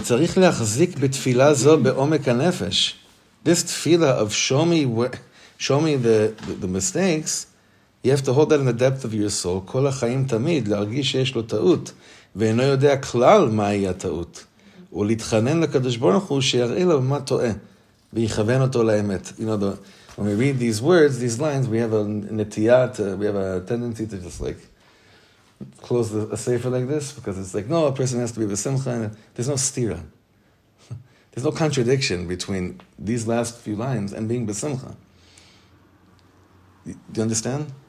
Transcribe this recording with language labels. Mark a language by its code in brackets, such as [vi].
[he] צריך להחזיק בתפילה זו בעומק הנפש. [en] This tefila of show me the mistakes, you have to hold that in the depth of your soul. [he] כל החיים תמיד, להרגיש שיש לו טעות, ואינו יודע כלל מהי הטעות. ולהתחנן לקדוש ברוך הוא שיראה לו מה טועה, ויכוון אותו לאמת. [en] You know, when we read these words, these lines, we have a netiya, we have a tendency to just like close a sefer like this, because it's like, no, a person has to be besimcha. There's no stira. There's no contradiction between these last few lines and being besimcha. Do you understand?